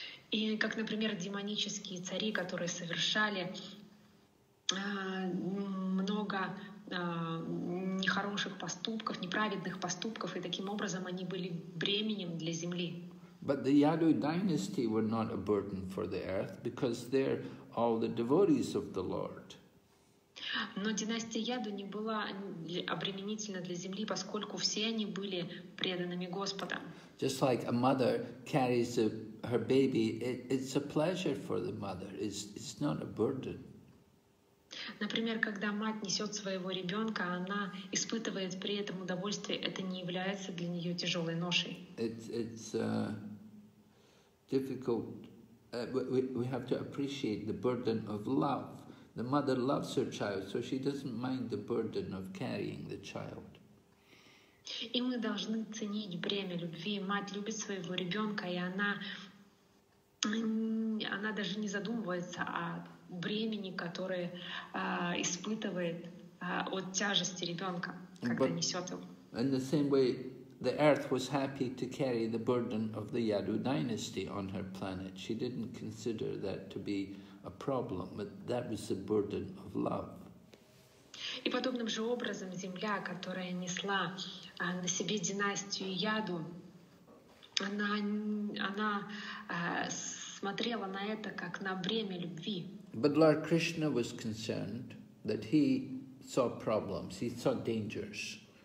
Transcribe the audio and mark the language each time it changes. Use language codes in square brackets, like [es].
[ru] И как, например, демонические цари, которые совершали много нехороших поступков, неправедных поступков, и таким образом они были бременем для земли. [en] But the Yadu dynasty were not a burden for the earth, because they're all the devotees of the Lord. [ru] Но династия Яду не была обременительна для земли, поскольку все они были преданными Господа. [en] Just like a mother carries her baby, it's a pleasure for the mother, it's not a burden. [ru] Например, когда мать несет своего ребенка, она испытывает при этом удовольствие, это не является для нее тяжелой ношей. [en] It's difficult. We have to appreciate the burden of love. The mother loves her child, so she doesn't mind the burden of carrying the child. [ru] И мы должны ценить бремя любви. Мать любит своего ребенка, и она даже не задумывается о бремени, которое испытывает от тяжести ребенка, когда несет его. [en] In the same way, the earth was happy to carry the burden of the Yadu dynasty on her planet. She didn't consider that to be a problem, but that was the burden of love. [ru] И подобным же образом земля, которая несла на себе династию Яду, она смотрела на это как на бремя любви. [en] But Lord Krishna was concerned that he saw problems, he saw dangers.